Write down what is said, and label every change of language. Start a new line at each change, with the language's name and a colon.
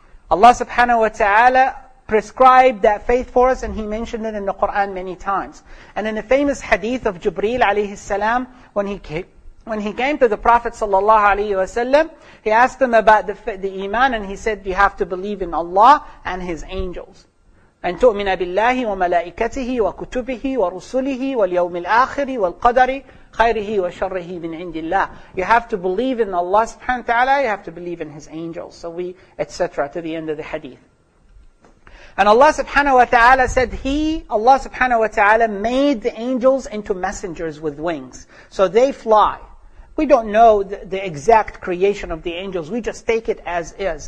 English: Allah subhanahu wa ta'ala prescribed that faith for us, and He mentioned it in the Quran many times. And in the famous hadith of Jibreel alayhi salam, when he came to the Prophet sallallahu alayhi wa sallam, he asked him about the iman, and he said, you have to believe in Allah and His angels.
Arabic: And تؤمن بالله وملائكته وكتبه ورسله واليوم الآخر والقدر خيره وشره من عند الله.
English: You have to believe in Allah subhanahu wa ta'ala, you have to believe in His angels. So we, etc. to the end of the hadith. And Allah subhanahu wa ta'ala said, Allah subhanahu wa ta'ala made the angels into messengers with wings. So they fly. We don't know the exact creation of the angels. We just take it as is.